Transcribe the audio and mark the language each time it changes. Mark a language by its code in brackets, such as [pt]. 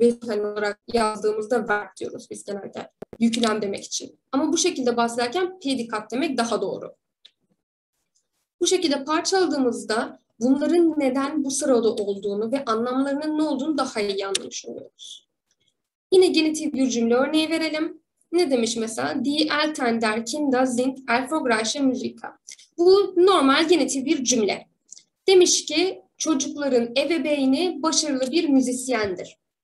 [tr] Bezuht olarak yazdığımızda verb diyoruz biz genelde. Yüklen demek için. Ama bu şekilde bahsederken predikat demek daha doğru. Bu şekilde parçaladığımızda bunların neden bu sırada olduğunu ve anlamlarının ne olduğunu daha iyi anlamış oluyoruz. Yine genitif bir cümle örneği verelim. Ne demiş mesela? [de] Die Eltern der Kinder sind erfolgreiche Musiker. [tr] Bu normal genitif bir cümle. Demiş ki çocukların ebeveyni başarılı bir müzisyendir.